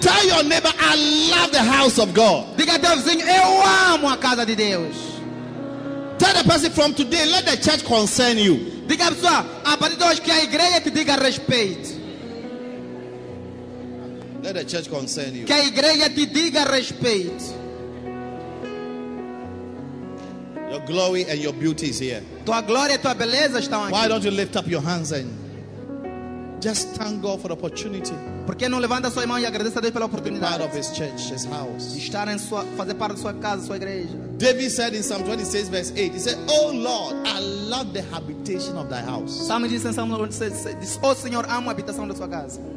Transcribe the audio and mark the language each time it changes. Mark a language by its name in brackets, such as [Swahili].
[English] Tell your neighbor, I love the house of God. [Portuguese] Diga teu vizinho, eu amo a casa de Deus. [English] Tell the person from today, let the church concern you. [Portuguese] Diga pessoa, a partir de hoje que a igreja te diga respeito. [English] Let the church concern you. [Portuguese] Que a igreja te diga respeito. [English] Your glory and your beauty is here. [Portuguese] Tua glória e tua beleza estão aqui. [English] Why don't you lift up your hands and just thank God for the opportunity. [Portuguese] Porque não levanta sua mão e agradece a Deus pela oportunidade. [English] Part of his church, his house. [Portuguese] Estar em sua, fazer parte da sua casa, sua igreja. [English] David said in Psalm 26 verse 8. He said, "Oh Lord, I love the habitation of thy house." [Portuguese] Salmo diz em Salmo 26, "Oh Senhor, amo a habitação da sua casa."